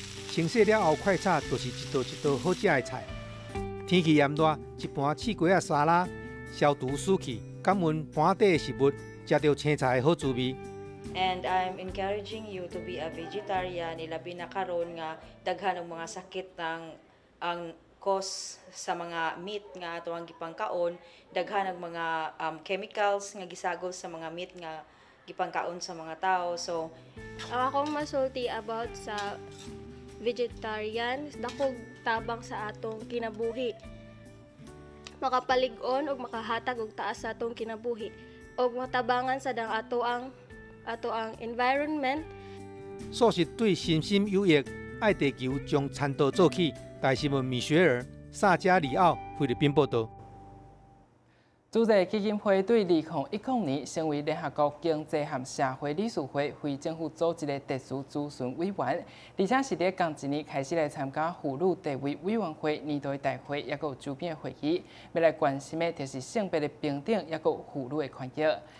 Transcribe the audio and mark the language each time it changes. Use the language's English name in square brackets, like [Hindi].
[Chinese] 清洗了后，快炒就是一道一道好食的菜。天气炎热，一盘刺瓜啊沙拉，消毒湿气，感恩盘底的食物，食到青菜的好滋味。 [English] And I'm encouraging you to be a vegetarian, [Cebuano] ilabi na karon nga daghan ng mga sakit ng ang cause sa mga meat nga atong gipangkaon, daghan ng mga chemicals nga gisagol sa mga meat nga gipangkaon sa mga tao. [English] So, [Cebuano] akong masulti about sa vegetarian, dakog tabang sa atong kinabuhi. Makapalig-on o makahatag o taas sa atong kinabuhi. O matabangan sa dang ato ang environment. [Chinese] 素食对身心有益，爱地球从餐桌做起。台新闻米雪儿、萨加里奥、菲律宾报道。主席基金会对2010年成为联合国经济和社会理事会非政府组织的特殊咨询委员，而且是伫同一年开始来参加妇女地位委员会年度大会，也佮有周边的会议，要来关心的就是性别的平等，也佮有妇女的权益。